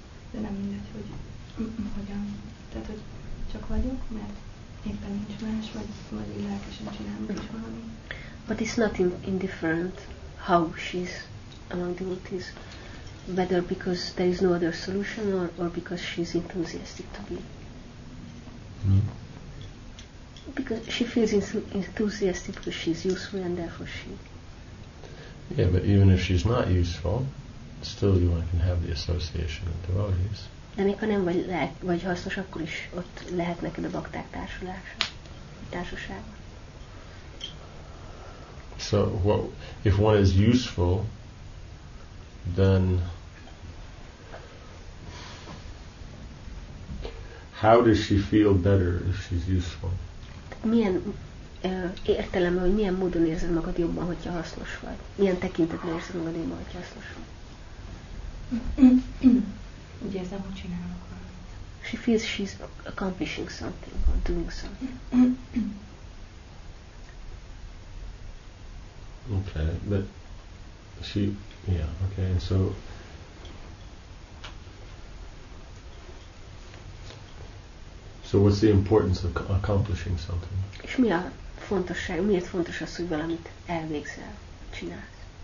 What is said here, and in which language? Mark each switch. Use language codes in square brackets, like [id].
[hu] De nem mindegy, hogy hogyan. Tehát, hogy csak vagyok, mert éppen nincs más, vagy lelkesen csinálom is valami. [en] But it's not indifferent how she's among the devotees, whether because there is no other solution or because she's enthusiastic to be. Because she feels enthusiastic because she's useful and therefore she. Yeah, but even if she's not useful, still, you can have the association with devotees. [hu] De mikor nem vagy lehet, vagy hasznos, akkor is ott lehet neked a bakták társasága. [en] So, well, if one is useful, then how does she feel better if she's useful? [hu] Milyen értelemben, hogy milyen módon érzed magad jobban, hogyha hasznos vagy? Milyen tekintetben érzed magad jobban, hogyha hasznos vagy? Úgy érzem, hogy csinálok valamit. [en] She feels she's accomplishing something or doing something. Okay, but she, yeah, okay, and so what's the importance of accomplishing something? [hu] És mi a fontosság, miért fontos az, hogy valamit elvégzel, csinálsz?